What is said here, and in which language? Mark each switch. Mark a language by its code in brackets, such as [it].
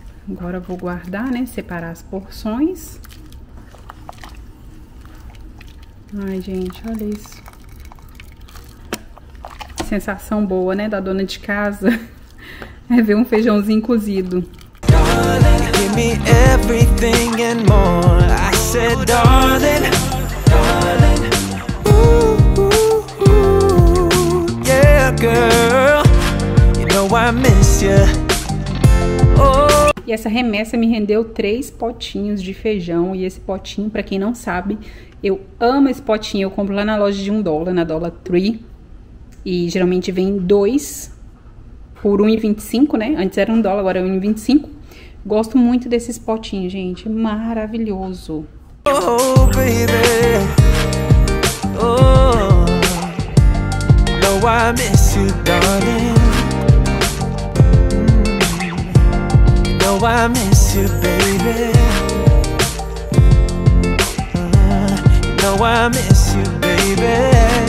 [pt] Agora eu vou guardar, né? Separar as porções. Ai, gente, olha isso. Sensação boa, né? Da dona de casa. É ver um feijãozinho cozido. [en] Give me everything and more. I said, darling, darling, ooh, ooh, ooh, yeah, girl, you know I miss ya. [pt] E essa remessa me rendeu 3 potinhos de feijão. E esse potinho, pra quem não sabe, eu amo esse potinho. Eu compro lá na loja de $1, na Dollar Tree. E geralmente vem 2 por $1,25, né? Antes era $1, agora é $1,25. Gosto muito desses potinhos, gente. Maravilhoso. [en] Oh, baby, oh, no, I miss you, darling, no, I miss you, baby, no, I miss you, baby.